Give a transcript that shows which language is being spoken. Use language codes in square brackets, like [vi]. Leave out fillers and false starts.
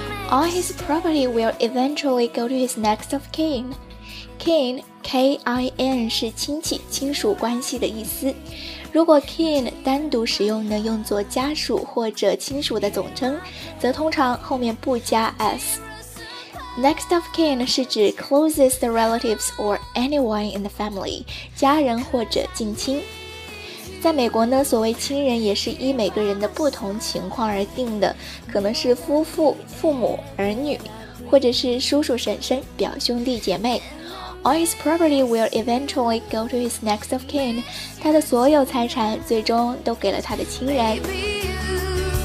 [en] All his property will eventually go to his next of kin. [zh] Kin, K-I-N, 是亲戚、亲属关系的意思。如果 kin 单独使用呢，用作家属或者亲属的总称，则通常后面不加 s。 [en] Next of kin [zh] 是指 [en] closest relatives or anyone in the family， [zh] 家人或者近亲。在美国呢，所谓亲人也是依每个人的不同情况而定的，可能是夫妇、父母、儿女，或者是叔叔、婶婶、表兄弟姐妹。 [en] All his property will eventually go to his next of kin. [zh] 他的所有财产最终都给了他的亲人。